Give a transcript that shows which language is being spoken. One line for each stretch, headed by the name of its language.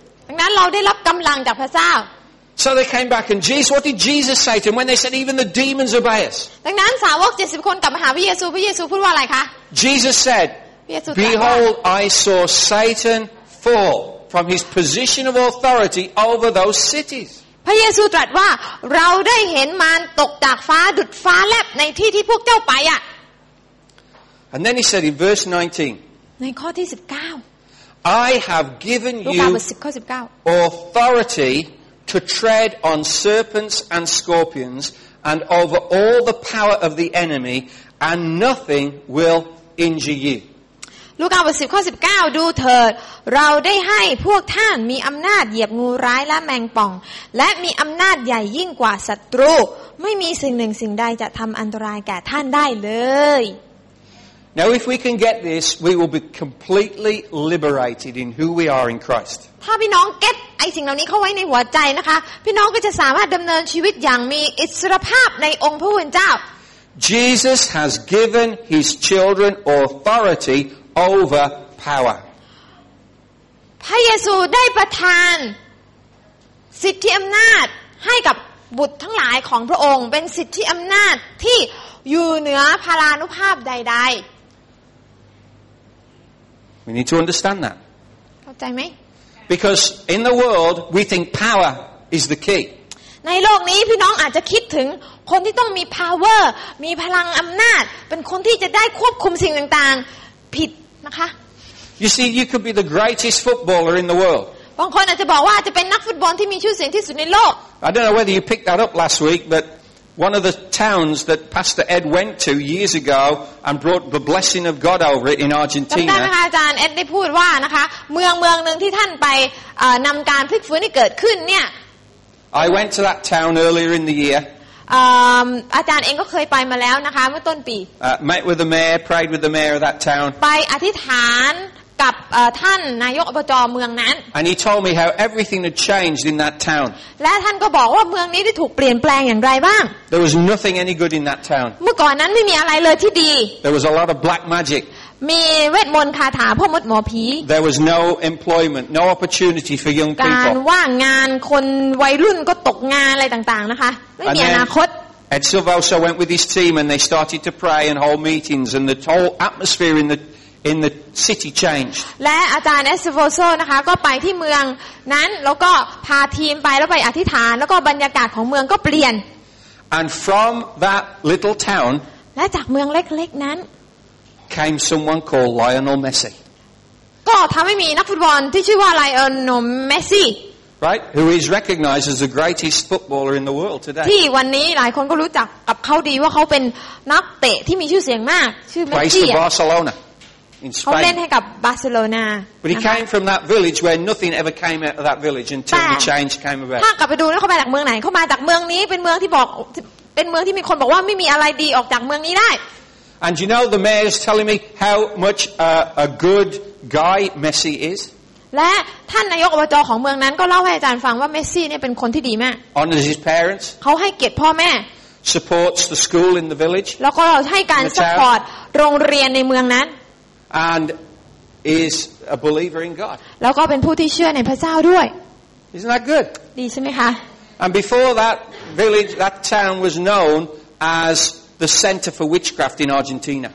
Thai: ดังนั้นเราได้รับกำลังจากพระเจ้า
English: So they came back and Jesus, what did Jesus say to them when they said even the demons obey us?
Thai: ดังนั้นสาวก70คนกลับมาหาพระเยซูพระเยซูพูดว่าอะไรคะ
English: Jesus said, Behold, I saw Satan fall from his position of authority over those cities.
Thai: พระเยซูตรัสว่าเราได้เห็นมารตกจากฟ้าดุจฟ้าแลบในที่ที่พวกเจ้าไปอ่ะ
English: And then he said in verse 19.
Thai: ในข้อที่19.
English: I have given you authorityTo tread on serpents and scorpions and over all the power of the enemy and nothing will injure you.
Thai: ลูกาบทที่ข้อ19ดูเถิดเราได้ให้พวกท่านมีอำนาจเหยียบงูร้ายและแมงป่องและมีอำนาจใหญ่ยิ่งกว่าศัตรูไม่มีสิ่งหนึ่งสิ่งใดจะทำอันตรายแก่ท่านได้เลย
English: Now if we can get this we will be completely liberated in who we are in Christ.
Thai: ถ้าพี่น้องเก็ตไอ้สิ่งเหล่านี้เข้าไว้ในหัวใจนะคะพี่น้องก็จะสามารถดำเนินชีวิตอย่างมีอิสรภาพในองค์พระผู้เป็นเจ้า
English: Jesus has given his children authority over power.
Thai: พระเยซูได้ประทานสิทธิอำนาจให้กับบุตรทั้งหลายของพระองค์เป็นสิทธิอำนาจที่อยู่เหนือพารานุภาพใดๆ
English: We need to understand that.
Thai: ข้าใจไหม
English: Because in the world we think power is the key
Thai: ในโลกนี้พี่น้องอาจจะคิดถึงคนที่ต้องมี power มีพลังอำนาจเป็นคนที่จะได้ควบคุมสิ่งต่างๆผิดนะคะ
English: You see you could be the greatest footballer in the world
Thai: บางคนอาจจะบอกว่าจะเป็นนักฟุตบอลที่มีชื่อเสียงที่สุดในโลก
English: I don't know whether you picked that up last week butOne of the towns that Pastor Ed went to years ago and brought the blessing of God over it in Argentina.
Thai: จำได้ไหมอาจารย์เอ็ดได้พูดว่านะคะเมืองนึงที่ท่านไปนำการพลิกฟื้นที่เกิดขึ้นเนี่ย
English: I went to that town earlier in the year.
Thai: อาจารย์เองก็เคยไปมาแล้วนะคะเมื่อต้นปี
English: Met with the mayor, prayed with the mayor of that town.
Thai: ไปอธิษฐานกับท่านนายกอบจเมืองนั้น
English: And he told me how everything had changed in that town
Thai: และท่านก็บอกว่าเมืองนี้ได้ถูกเปลี่ยนแปลงอย่างไรบ้าง
English: There was nothing any good in that town
Thai: เมื่อก่อนนั้นไม่มีอะไรเลยที่ดี
English: There was a lot of black magic
Thai: มีเวทมนต์คาถาพวกมดหมอผี
English: There was no employment no opportunity for young people
Thai: การว่างงานคนวัยรุ่นก็ตกงานอะไรต่างๆนะคะไม่มีอนาคต
English: Ed Silva also went with his team and they started to pray and hold meetings and the whole atmosphere in the city changed
Thai: และอาจารย์เอสโวโซนะคะก็ไปที่เมืองนั้นแล้วก็พาทีมไปแล้วไปอธิษฐานแล้วก็บรรยากาศของเมืองก็เปลี่ยน
English: And from that little town
Thai: และจากเมืองเล็กๆนั้น
English: came someone called Lionel Messi
Thai: ก็ทำให้มีนักฟุตบอลที่ชื่อว่าไลออนเมสซี่
English: right who is recognized as the greatest footballer in the world today
Thai: ที่วันนี้หลายคนก็รู้จักกับเขาดีว่าเขาเป็นนักเตะที่มีชื่อเสียงมากชื่อเมสซี่
English: Barcelona
Thai: เขาเล่นให้กับบาร์เซโลนา
English: But he came from that village where nothing ever came out of that village until the change came about.
Thai: ถ้ากลับไปดูนะเขามาจากเมืองไหนเขามาจากเมืองนี้เป็นเมืองที่บอกเป็นเมืองที่มีคนบอกว่าไม่มีอะไรดีออกจากเมืองนี้ได้
English: And you know the mayor is telling me how much a good guy Messi is.
Thai: และท่านนายกอบจของเมืองนั้นก็เล่าให้อาจารย์ฟังว่าเมสซี่เนี่ยเป็นคนที่ดีมาก
English: Honors his parents.
Thai: เขาให้เกียรติพ่อแม่
English: Supports the school in the village.
Thai: แล้วก็ให้การสปอร์ตโรงเรียนในเมืองนั้น
English: And is a believer in God.
Thai: แล้วก็เป็นผู้ที่เชื่อในพระเจ้าด้วย
English: Isn't that good?
Thai: ดีใช่ไหมคะ
English: And before that village, that town was known as the center for witchcraft in Argentina.